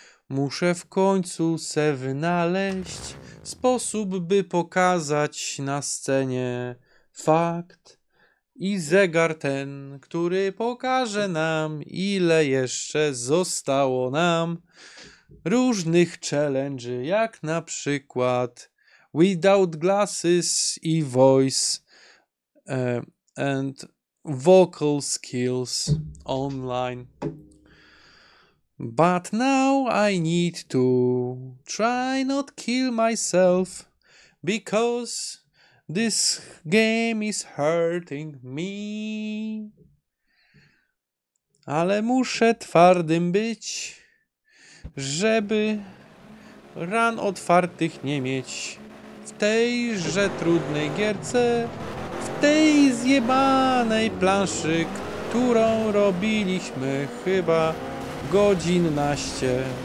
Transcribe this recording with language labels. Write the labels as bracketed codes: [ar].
[pl] Muszę w końcu se wynaleźć sposób, by pokazać na scenie fakt i zegar ten, który pokaże nam, ile jeszcze zostało nam różnych challenge, jak na przykład [en] Without Glasses [pl] i [en] Voice and vocal skills online. But now I need to try not kill myself, because this game is hurting me. [pl] Ale muszę twardym być, żeby ran otwartych nie mieć. W tejże trudnej gierce, w tej zjebanej planszy, którą robiliśmy chyba godzin naście.